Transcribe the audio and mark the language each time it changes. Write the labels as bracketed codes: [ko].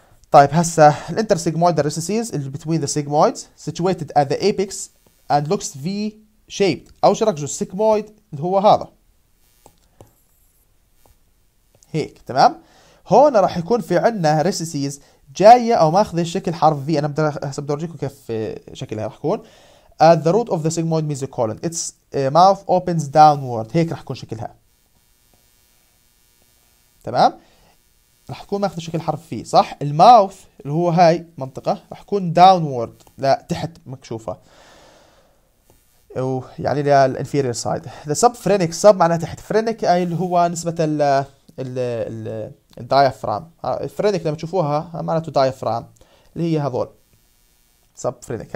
[ar] طيب هسه الانتر سيجمويد ريسيسيز اللي بتوين ذا سيجمويدز سيتويتد ات ذا ايبكس اند لوكس في شيبد، او شرك جو السيجمويد اللي هو هذا هيك، تمام. هون راح يكون في عنا ريسيسيز جايه او ماخذه شكل حرف في. انا بدي اورجيكم كيف شكلها راح يكون. [en] At the root of the sigmoid mesocolon its mouth opens downward، [ar] هيك راح يكون شكلها، تمام. راح يكون ماخذ شكل حرف في صح، الماوث اللي هو هاي منطقه راح يكون داونورد لا تحت مكشوفه، ويعني للانفيرير سايد. ذا سب فرينيك، سب معناها تحت، فرينيك اي اللي هو نسبه ال الديافرام، الفرينك لما تشوفوها معناته ديافرام اللي هي هذول سب فرينك.